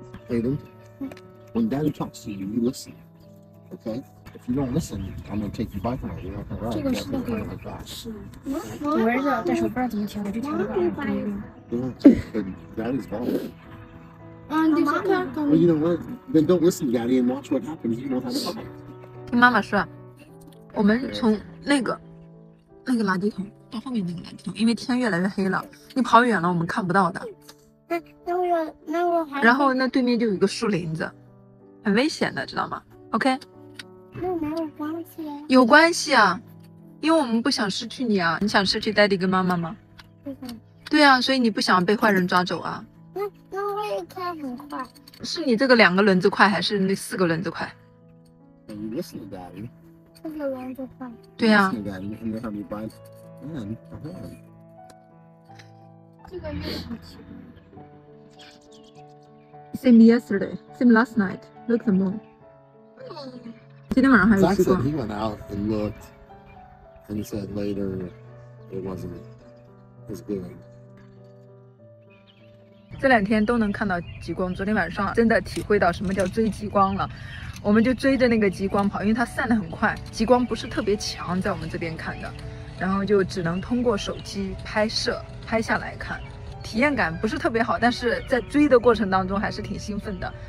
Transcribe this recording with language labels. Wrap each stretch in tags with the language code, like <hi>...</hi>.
<en>Aiden, when Daddy talks to you, you listen, okay? If you don't listen, I'm going to take your bike away. You're not going to ride. This is the game. Where's the bike? Where's the bike? Daddy's gone. Well, you know what? Then don't listen, Daddy, and watch what happens. You don't have a bike.</en> <zh>听妈妈说，我们从那个垃圾桶到后面那个垃圾桶，因为天越来越黑了，你跑远了我们看不到的。那我还然后那对面就有一个树林子，很危险的，知道吗 ？OK。那没有关系啊，有关系啊，因为我们不想失去你啊。你想失去 Daddy 跟妈妈吗？对啊，所以你不想被坏人抓走啊。那我也开很快。是你这个两个轮子快，还是那四个轮子快？</zh> <en>You listen to Daddy.</en> <zh>四个轮子快。对啊。</zh> <en>Listen to Daddy, and they have me by hand.</en> <zh>这个又好奇。</zh> <en>Same yesterday, same last night. Look the moon.</en> <zh>今天晚上还有一次。</zh> <en>Zach said he went out and looked, and he said later it wasn't as good.</en> <zh>这两天都能看到极光，昨天晚上真的体会到什么叫追极光了。我们就追着那个极光跑，因为它散得很快，极光不是特别强，在我们这边看的，然后就只能通过手机拍摄拍下来看，体验感不是特别好，但是在追的过程当中还是挺兴奋的。</zh>